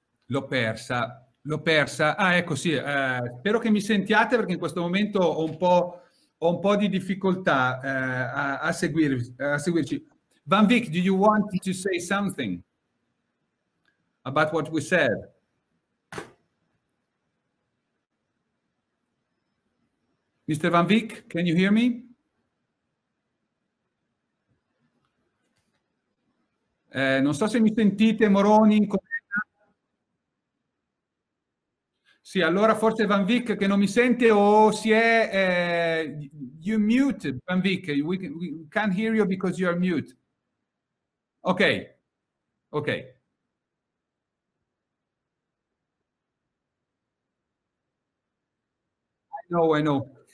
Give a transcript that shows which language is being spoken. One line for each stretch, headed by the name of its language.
Italian: L'ho persa. Ah, ecco, sì. Spero che mi sentiate, perché in questo momento ho un po' di difficoltà a seguirci.
English: Van Wyk, do you want to say something about what we said? Mr. Van Wyk, can you hear me?
Italian: Non so se mi sentite, Moroni. Sì, allora forse Van Wyk che non mi sente o si è...
English: you muted, Van Wyk. We can't hear you because you are mute. Ok. I know.